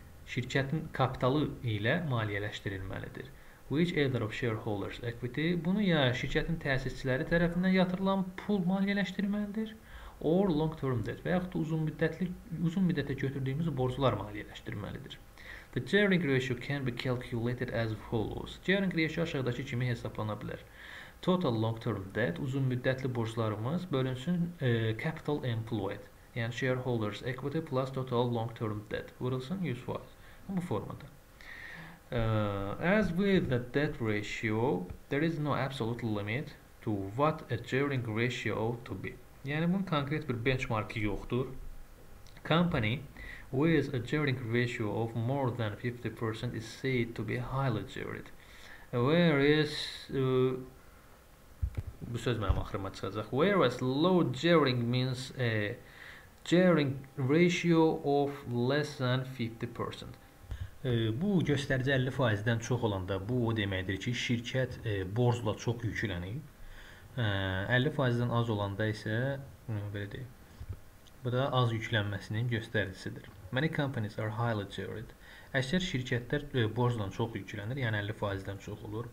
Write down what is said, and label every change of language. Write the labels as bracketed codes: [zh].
[az] Şirkətin kapitalı ilə maliyyələşdirilməlidir. [en] Which either of shareholders equity, [az] bunu ya şirkətin təsisçiləri tərəfindən yatırılan pul maliyyələşdirilməlidir. [en] Or long term debt [az] və yaxud da uzun müddətə götürdüyümüz borclar maliyyələşdirilməlidir. [en] The gearing ratio can be calculated as follows. [az] Gearing ratio aşağıdakı kimi hesablana bilər. Total long term debt, uzun müddətli borclarımız bölünsün capital employed, yəni shareholders equity plus total long term debt vurulsun 100%. Bu formada. [en] As with the debt ratio, there is no absolute limit to what a gearing ratio to be. [az] Yəni, bunun konkret bir benchmarkı yoxdur. [en] Company with a gearing ratio of more than 50% is said to be highly geared. [az] Whereas, bu söz mənim axırıma çıxacaq. [en] Whereas, low gearing means a gearing ratio of less than 50%. [az] Bu göstərici 50%-dən çox olanda bu o deməkdir ki, şirkət borcla çox yüklənib. 50%-dən az olanda isə belə deyək. Bu da az yüklənməsinin göstəricisidir. [en] Many companies are highly geared. [az] Əksər şirkətlər borcla çox yüklənir, yəni 50%-dən çox olur.